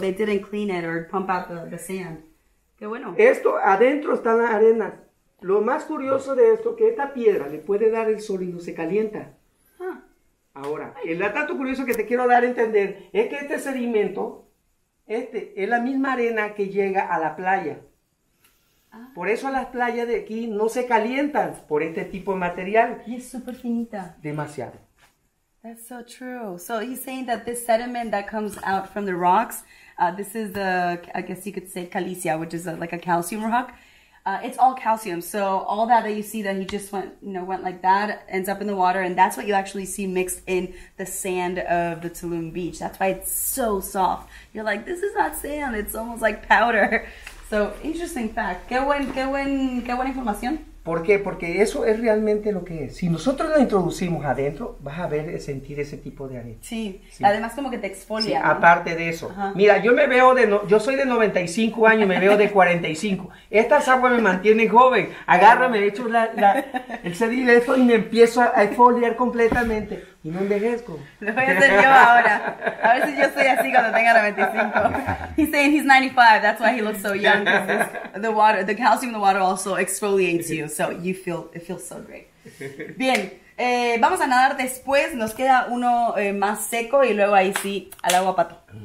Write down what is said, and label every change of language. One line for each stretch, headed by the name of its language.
English: They didn't clean it or pump out the sand.
Spanish: Qué bueno. Esto, adentro está la arena. Lo más curioso de esto, que esta piedra le puede dar el sol y no se calienta. Huh. Ahora, el dato curioso que te quiero dar a entender es que este sedimento, este, es la misma arena que llega a la playa. Por eso las playas de aquí no se calientan por este tipo de material. Y es súper finita. Demasiado.
English: That's so true. So he's saying that this sediment that comes out from the rocks, this is the, I guess you could say calcia, which is a, like a calcium rock. It's all calcium. So all that that you see that he just went, you know, went like that, ends up in the water. And that's what you actually see mixed in the sand of the Tulum beach. That's why it's so soft. You're like, this is not sand. It's almost like powder. So interesting fact.
Spanish: Qué buena información. ¿Por qué? Porque eso es realmente lo que es. Si nosotros la introducimos adentro, vas a ver, sentir ese tipo de arena. Sí, sí. Además como que te exfolia. Sí, ¿no? Aparte de eso. Ajá. Mira, yo me veo de, no, yo soy de 95 años, me veo de 45. Estas aguas me mantienen joven. Agárrame, echo el sedimento y me empiezo a exfoliar completamente. Y no envejezco. Lo voy a hacer yo ahora. A ver si yo soy así cuando tenga 95.
English: He's saying he's 95, that's why he looks so young. The water, the calcium in the water also exfoliates you. So you feel, it feels so great.
Spanish: Bien, vamos a nadar después. Nos queda uno más seco y luego ahí sí, al agua pato.